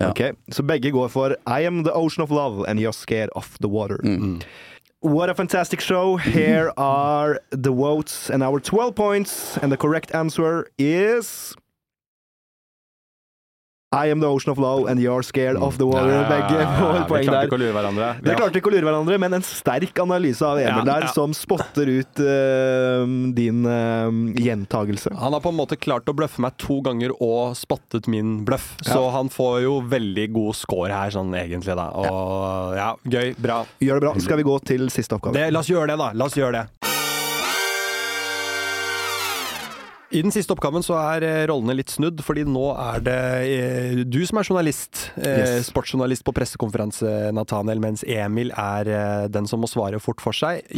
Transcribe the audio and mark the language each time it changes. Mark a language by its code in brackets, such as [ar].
[no] Okay, så begge går for [en] I am the ocean of love and you're scared of the water. Mm-hmm. What a fantastic show. Here are the votes and our 12 points. And the correct answer is I am the ocean of love and you're scared of the water. [no] Begge får poeng der. Vi klarte ikke å lure hverandre, men en sterk analyse av Emil der som spotter ut din gjentagelse. Han har på en måte klart å bløffe meg to ganger og spottet min bløff. Ja. Så han får jo veldig god score her, sånn egentlig da. Og, ja, gøy, bra. Gjør det bra. Skal vi gå til siste oppgave? La oss gjøre det da. I den siste oppgaven så er rollene litt snudd, fordi nå er det du som er journalist, yes. sportsjournalist på pressekonferanse, Nathaniel, mens Emil er den som må svare fort for seg. Mm.